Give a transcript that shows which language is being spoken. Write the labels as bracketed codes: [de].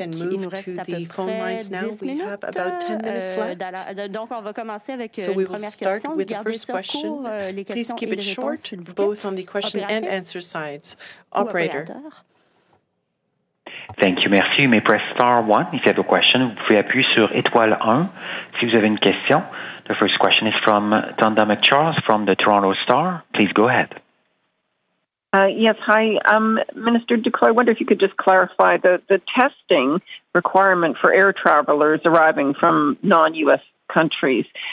[en] Chris, we can move to the phone lines now. We have about 10 minutes left. [fr] Donc on va commencer avec [en] so we will start question. With the first question. Please keep it short, both on the question operator and answer sides. Operator. Thank you, [fr] merci. [en] You may press star 1 if you have a question. [fr] Vous pouvez appuyer sur étoile 1 si vous avez une question. [en] The first question is from Tonda McCharles from the Toronto Star. Please go ahead. Yes, hi. Minister Duclos, I wonder if you could just clarify the testing requirement for air travelers arriving from non-U.S. countries.